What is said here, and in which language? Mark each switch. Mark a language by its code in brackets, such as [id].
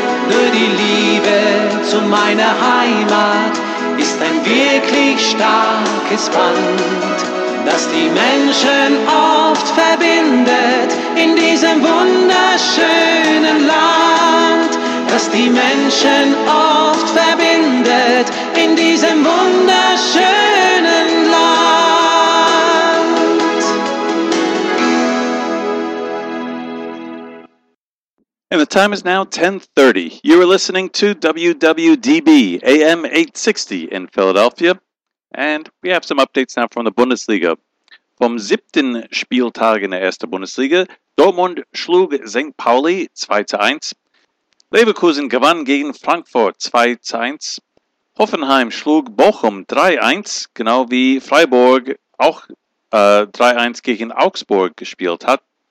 [de] Nur die Liebe zu meiner Heimat ist ein wirklich starkes Band, das die Menschen oft verbindet in diesem wunderschönen Land. Das die Menschen oft verbindet in diesem wunderschönen Land. [en] And the time is now 10:30. You are listening to WWDB AM 860 in Philadelphia. And we have some updates now from the Bundesliga. [de] Vom siebten Spieltag in der ersten Bundesliga, Dortmund schlug St. Pauli 2-1. Leverkusen gewann gegen Frankfurt 2-1. Hoffenheim schlug Bochum 3-1, genau wie Freiburg auch 3-1 gegen Augsburg gespielt hat.